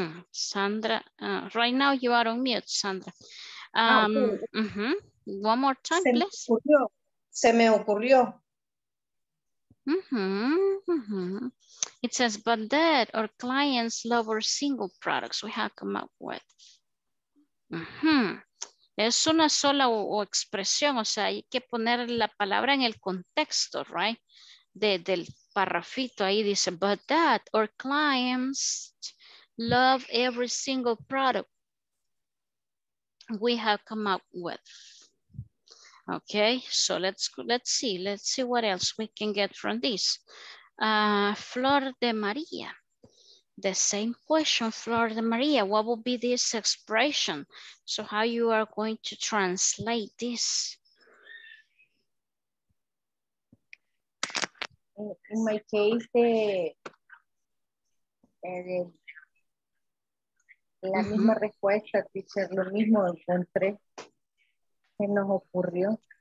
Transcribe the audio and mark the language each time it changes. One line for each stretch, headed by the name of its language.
English: Sandra, right now you are on mute, Sandra. One more time,
Spanish: se
English: please.
Spanish: Ocurrió. Se me ocurrió.
English: It says, but that our clients love our single products we have come up with.
Spanish: Es una sola o expresión, o sea, hay que poner la palabra en el contexto, right? Del parrafito ahí dice,
English: but that our clients love every single product we have come up with. Okay, so let's see what else we can get from this. Flor de Maria, the same question, Flor de Maria, what will be this expression? So how you are going to translate this? In my case,
Spanish: la misma respuesta, teacher, lo mismo encontré, que nos ocurrió.